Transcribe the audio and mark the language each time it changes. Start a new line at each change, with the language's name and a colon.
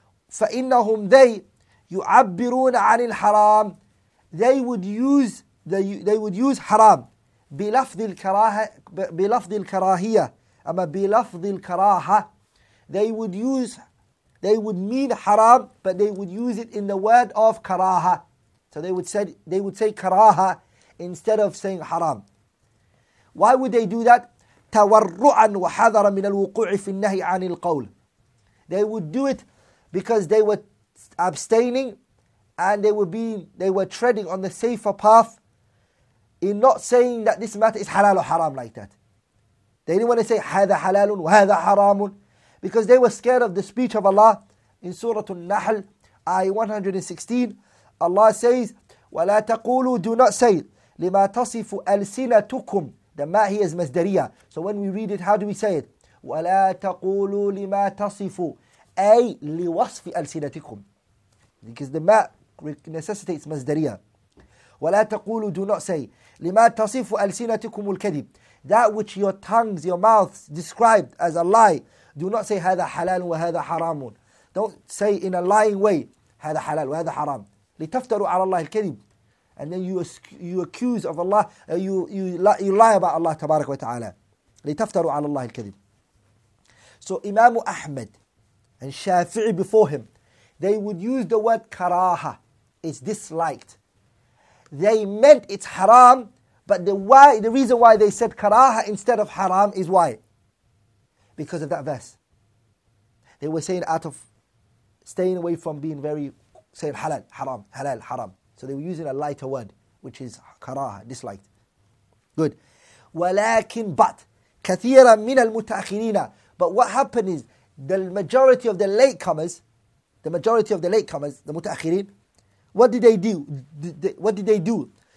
Arabic: فإنهم
English: they
Arabic: يعبرون عن الحرام,
English: they would use haram
Arabic: بلفظ الكراهية, أما بلفظ الكراهة,
English: they would mean haram, but they would use it in the word of كراهة. So they would say كراهة instead of saying haram. Why would they do that?
Arabic: تورعا وحذرا من الوقوع في النهي عن القول.
English: They would do it because they were abstaining, and they were treading on the safer path in not saying that this matter is halal or haram like that. They didn't want to say
Arabic: هذا حلال وهذا حرام,
English: because they were scared of the speech of Allah in Surah An-Nahl, ayah 116. Allah says,
Arabic: ولا تقولوا,
English: do not say,
Arabic: لما تصف ألسنتكم.
English: The ما هي is مصدرية. So when we read it, how do we say it?
Arabic: ولا تقولوا لما تصف, أي لوصف ألسنتكم,
English: because the ما necessitates
Arabic: مصدرية. ولا تقولوا,
English: do not say,
Arabic: لما تصف ألسنتكم الكذب,
English: that which your tongues, your mouths described as a lie. Do not say
Arabic: هذا حلال وهذا حرام.
English: Don't say in a lying way هذا حلال وهذا حرام.
Arabic: لتفتروا على الله الكذب.
English: And then you accuse of Allah, you lie about Allah
Arabic: تبارك وتعالى. لتفتروا على الله الكذب.
English: So Imam Ahmad and Shafi'i before him, they would use the word كراهة, it's disliked. They meant it's haram, but the reason why they said كراهة instead of haram is why? Because of that verse. They were saying out of staying away from being very, saying halal, haram, halal, haram. So they were using a lighter word, which is karaha, disliked. Good.
Arabic: ولكن but, كثيرا من المتأخرين.
English: But what happened is, the majority of the latecomers, the متأخرين, what did they do?